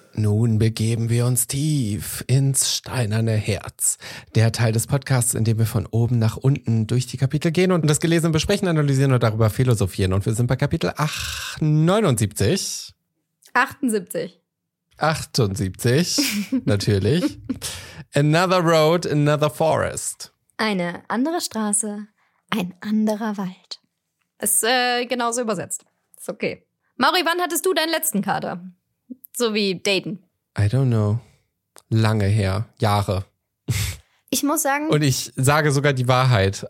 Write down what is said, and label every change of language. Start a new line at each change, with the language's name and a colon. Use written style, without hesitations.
German: Nun begeben wir uns tief ins steinerne Herz. Der Teil des Podcasts, in dem wir von oben nach unten durch die Kapitel gehen und das Gelesene besprechen, analysieren und darüber philosophieren. Und wir sind bei Kapitel 79. 78. 78, natürlich.
English: Another road, another forest.
German: Eine andere Straße, ein anderer Wald. Ist genauso übersetzt. Ist okay. Mauri, wann hattest du deinen letzten Kater? So wie daten.
English: I don't know.
German: Lange her. Jahre. Ich muss sagen. Und ich sage sogar die Wahrheit.